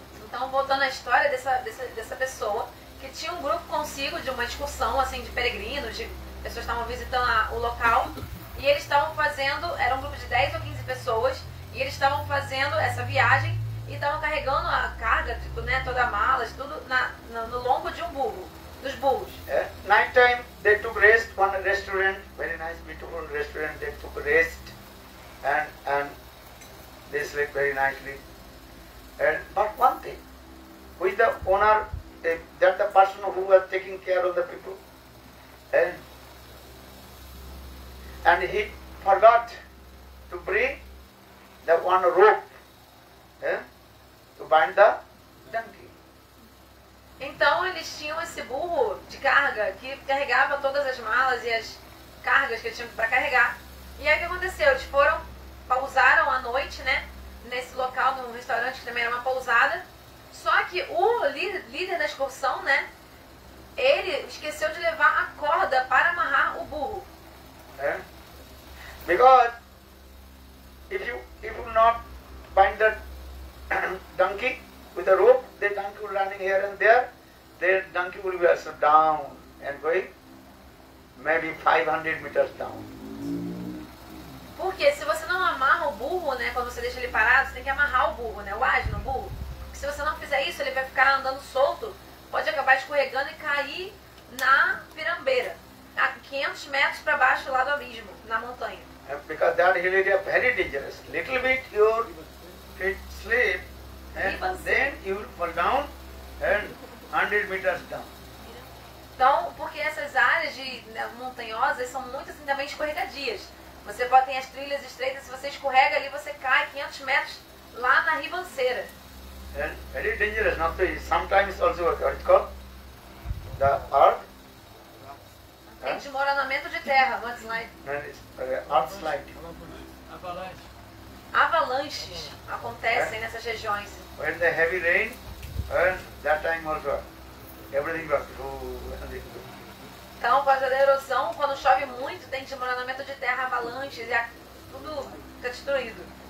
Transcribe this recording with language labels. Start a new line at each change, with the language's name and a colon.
Portuguese: Então voltando à história dessa pessoa que tinha um grupo consigo de uma excursão assim de peregrinos, de pessoas estavam visitando o local, e eles estavam fazendo, era um grupo de 10 ou 15 pessoas, e eles estavam fazendo essa viagem e estavam carregando a carga, tipo, né, toda a mala, tudo no lombo de um burro, dos burros.
English: Night time they took rest one restaurant, very nice beautiful restaurant, they took rest and they slept very nicely. And but one thing, with the owner, that the person who was taking care of the people, and he forgot to bring the one rope to bind the donkey.
Portuguese: Então eles tinham esse burro de carga que carregava todas as malas e as cargas que tinham para carregar. E aí o que aconteceu? Eles foram, pousaram à noite, né, nesse local, num restaurante que também era uma pousada. Só que o líder da excursão, né, ele esqueceu de levar a corda para amarrar o burro.
English: Because if you not bind the donkey with the rope, the donkey will running here and there, the donkey will be also down and going maybe 500 meters down.
Portuguese: Porque se você não amarra o burro, né, quando você deixa ele parado, você tem que amarrar o burro, né, o asno, o burro. Se você não fizer isso, ele vai ficar andando solto pode acabar escorregando e cair na pirambeira, a 500 metros para baixo lá do abismo, na montanha.
English: É because that hill is very dangerous. Little bit your feet slip, and then you will fall down and 100 meters down.
Portuguese: Então, porque essas áreas de montanhosas são muito assim também escorregadias. Você pode ter as trilhas estreitas, se você escorrega ali, você cai 500 metros lá na ribanceira.
English: É very dangerous, not to you. Sometimes also what it's called? The earth.
Portuguese: Tem desmoronamento de terra, mudslide.
English: Earthslide.
Portuguese: Avalanches. Avalanches acontecem nessas regiões.
English: When the heavy rain, and that time also. Everything was through.
Portuguese: Então, por causa da erosão, quando chove muito, tem desmoronamento de terra, avalanches, e tudo fica destruído.